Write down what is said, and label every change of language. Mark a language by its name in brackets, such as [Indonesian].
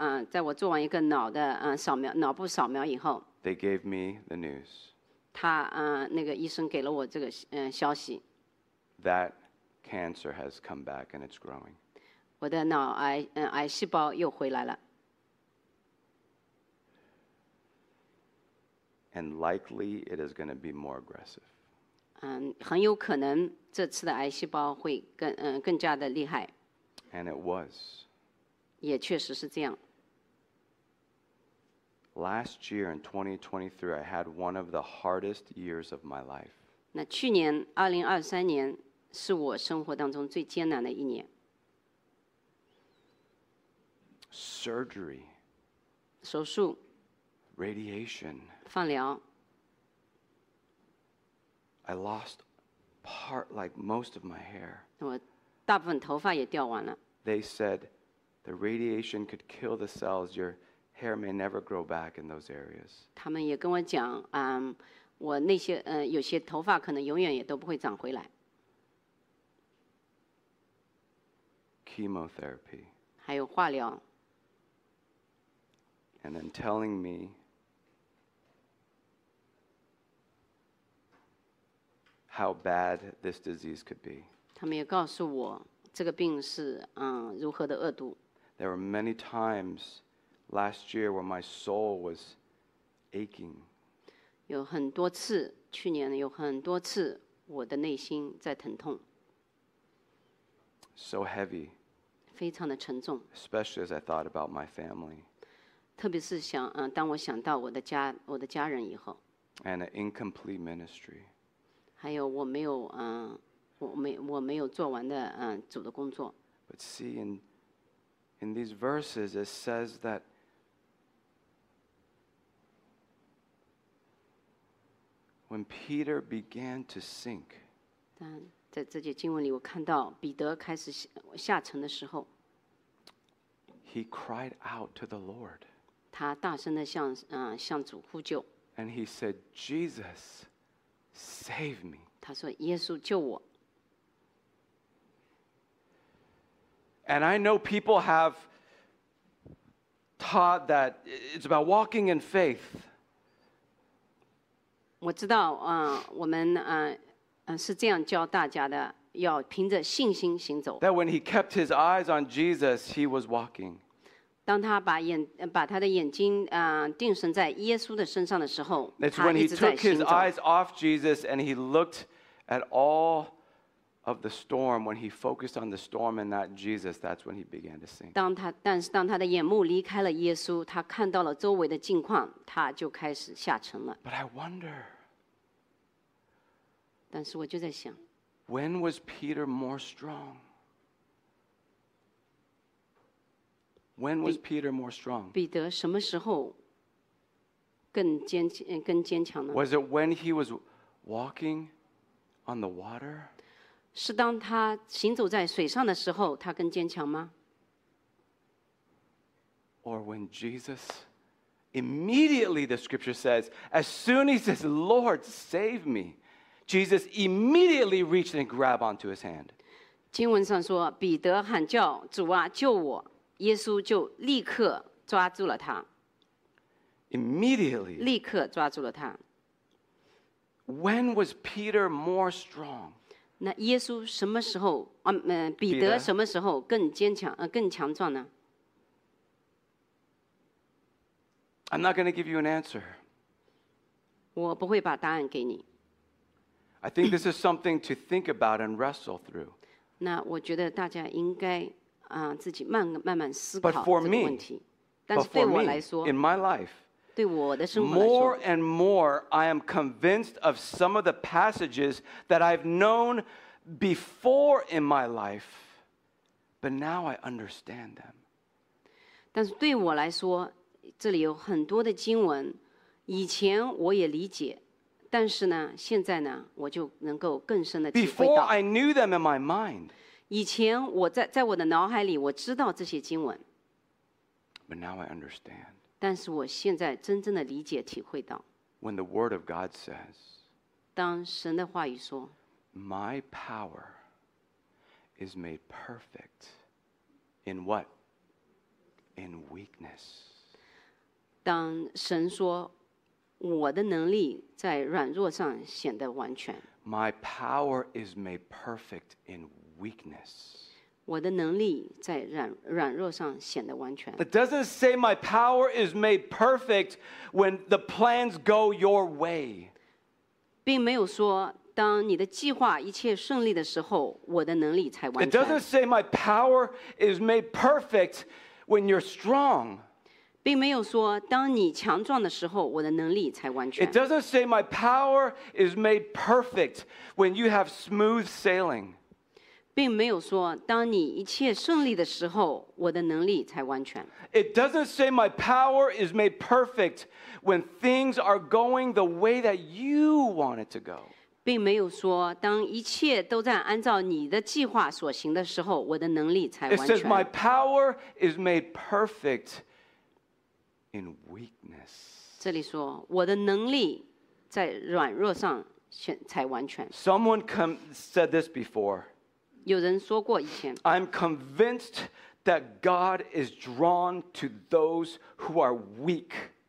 [Chinese] 在我做完一个脑的扫描，脑部扫描以后 [English] ，They gave me the news. [Chinese] 那个医生给了我这个消息。 [English] That cancer has come back and it's growing. [Chinese] 我的脑癌癌细胞又回来了。 [English] And likely it is going to be more aggressive. [Chinese] 很有可能这次的癌细胞会更加的厉害。 [English] And it was. [Chinese] 也确实是这样。 [English] Last year in 2023, I had one of the hardest years of my life. [Chinese] 那去年2023年是我生活当中最艰难的一年。 [English] Surgery. [Chinese] 手术。 [English] Radiation. [Chinese] 放疗。 [English] I lost part, like most of my hair. [Chinese] 我大部分头发也掉完了。 [English] They said. The radiation could kill the cells. Your hair may never grow back in those areas. [Chinese] 他们也跟我讲，我那些有些头发可能永远也都不会长回来。 [English] Chemotherapy. [Chinese] 还有化疗。 [English] And then telling me how bad this disease could be. [Chinese] 他们也告诉我这个病是如何的恶毒。 [English] There were many times last year where my soul was aching. [Chinese] 有很多次，去年有很多次，我的内心在疼痛。 [English] So heavy. [Chinese] 非常的沉重。 [English] Especially as I thought about my family. [Chinese] 特别是想，当我想到我的家人以后。 [English] And an incomplete ministry. [Chinese] 还有我没有，我没有做完的，主的工作。 [English] But seeing. In these verses, it says that when Peter began to sink, [Chinese] 但在这节经文里，我看到彼得开始下沉的时候 [English] ，he cried out to the Lord. [Chinese] 他大声的向主呼救。 [English] And he said, "Jesus, save me." [Chinese] 他说，耶稣救我。 [English] And I know people have taught that it's about walking in faith. [Chinese] 我知道，我们是这样教大家的，要凭着信心行走。 [English] That when he kept his eyes on Jesus, he was walking. [Chinese] 当他把他的眼睛定神在耶稣的身上的时候，他一直在行走。 [English] It's when he took his eyes off Jesus and he looked at all. Of the storm, when he focused on the storm and not Jesus, that's when he began to sink. [Chinese] 但是当他的眼目离开了耶稣，他看到了周围的境况，他就开始下沉了。 [English] But I wonder. [Chinese] 但是我就在想 [English] ，When was Peter more strong? When was Peter more strong? [Chinese] 彼得什么时候更坚强呢 [English] ？Was it when he was walking on the water? [Chinese] 是当他行走在水上的时候，他更坚强吗 [English] ？Or when Jesus Immediately, the scripture says, as soon as he says, Lord, save me, Jesus immediately reached and grabbed onto his hand. [Chinese] 经文上说，彼得喊叫，主啊，救我！耶稣就立刻抓住了他。 [English] Immediately. [Chinese] 立刻抓住了他。 [English] When was Peter more strong? [Chinese] 那耶稣什么时候，彼得什么时候更坚强，更强壮呢？ [English] I'm not going to give you an answer. [Chinese] 我不会把答案给你。 [English] I think this is something to think about and wrestle through. [Chinese] 那我觉得大家应该，自己慢慢思考这个问题。但是对我来说， [English] in my life, [Chinese] 对我的生活来说, [English] more and more, I am convinced of some of the passages that I've known before in my life, but now I understand them. [Chinese] 但是对我来说，这里有很多的经文，以前我也理解，但是呢，现在呢，我就能够更深的体会到。 [English] Before I knew them in my mind. [Chinese] 以前我在我的脑海里，我知道这些经文。 [English] But now I understand. [Chinese] 但是我现在真正的理解体会到 [English] When the word of God says, [Chinese] 当神的话语说 [English] My power is made perfect in what? In weakness. [Chinese] 当神说我的能力在软弱上显得完全 [English] My power is made perfect in weakness. [Chinese] 我的能力在软弱上显得完全。 [English] It doesn't say my power is made perfect when the plans go your way. [Chinese] 并没有说当你的计划一切顺利的时候，我的能力才完全。 [English] It doesn't say my power is made perfect when you're strong. [Chinese] 并没有说当你强壮的时候，我的能力才完全。 [English] It doesn't say my power is made perfect when you have smooth sailing. [Chinese] 并没有说当你一切顺利的时候我的能力才完全。 [English] It doesn't say my power is made perfect when things are going the way that you want it to go. [Chinese] 并没有说当一切都在按照你的计划所行的时候我的能力才完全。 [English] It says my power is made perfect in weakness. [Chinese] 这里说我的能力在软弱上才完全。 [English] Someone said this before. [Chinese] 有人说过以前 [English] I'm convinced that God is drawn to those who are weak.